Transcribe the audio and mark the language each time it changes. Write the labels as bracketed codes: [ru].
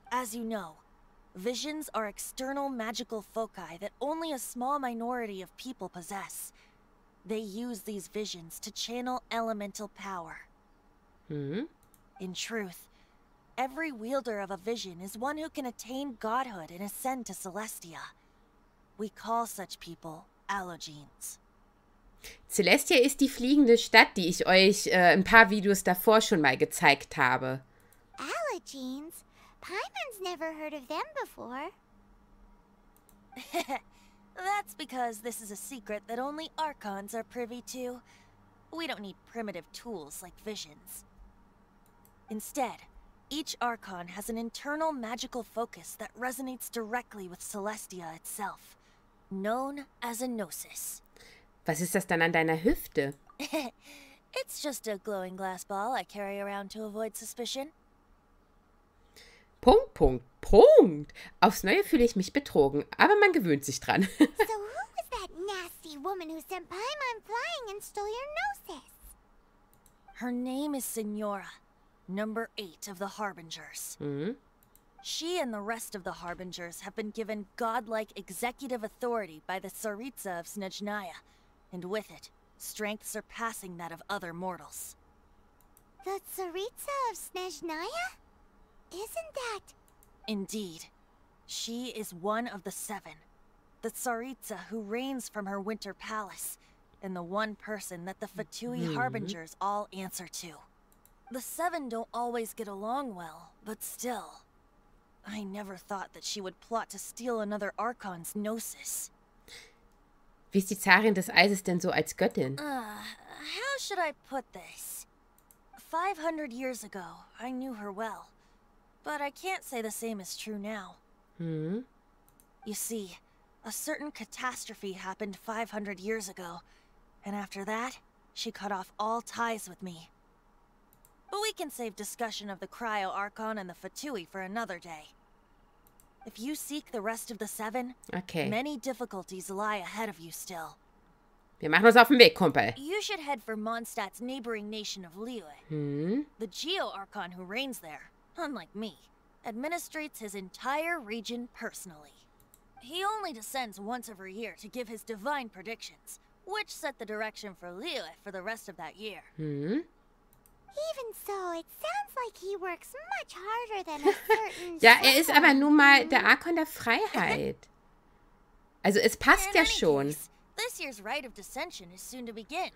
[en] As you know, visions are external magical foci that only a small minority of people possess. They use these visions to channel elemental power. Hmm? In truth, every wielder of a vision is one who can attain godhood and ascend to Celestia. We call such people allogenes. [de] Celestia ist die fliegende Stadt, die ich euch ein paar Videos davor schon mal gezeigt habe. [en] Allogenes? Paimon's never heard of them before. That's because this is a secret that only Archons are privy to. We don't need primitive tools like visions. Instead, Each Archon has an internal magical focus that resonates directly with Celestia itself, known as a gnosis. [de] Was ist das dann an deiner Hüfte? [en] It's just a glowing glass ball I carry around to avoid suspicion. [de] Punkt, Punkt, Punkt! Aufs Neue fühle ich mich betrogen, aber man gewöhnt sich dran. [en] So who was that nasty woman who sent Paimon flying and stole your gnosis? Her name is Signora, number 8 of the Harbingers. Mm-hmm. She and the rest of the Harbingers have been given godlike executive authority by the Tsaritsa of Snejnaya, and with it, strength surpassing that of other mortals. The Tsaritsa of Snejnaya? Isn't that... Indeed. She is one of the 7. The Tsaritsa who reigns from her winter palace, and the one person that the Fatui Harbingers all answer to. The 7 don't always get along well, but still... I never thought that she would plot to steal another Archon's gnosis. [de] Wie ist die Zarin des Eises denn so als Göttin? [en] How should I put this? 500 years ago, I knew her well. But I can't say the same is true now. Hmm? You see, a certain catastrophe happened 500 years ago. And after that, she cut off all ties with me. But we can save discussion of the Cryo Archon and the Fatui for another day. If you seek the rest of the 7, okay, many difficulties lie ahead of you still. [de] Wir machen uns auf den Weg, Kumpel. [en] You should head for Mondstadt's neighboring nation of Liyue. Hmm? The Geo Archon who reigns there, unlike me, administrates his entire region personally. He only descends once every year to give his divine predictions, which set the direction for Liyue for the rest of that year. Hmm? Even so, it sounds like he works much harder than a certain... [de] Ja, er ist aber nun mal der Archon der Freiheit. Also, es passt ja schon. [en] Case, this year's rite of dissension is soon to begin.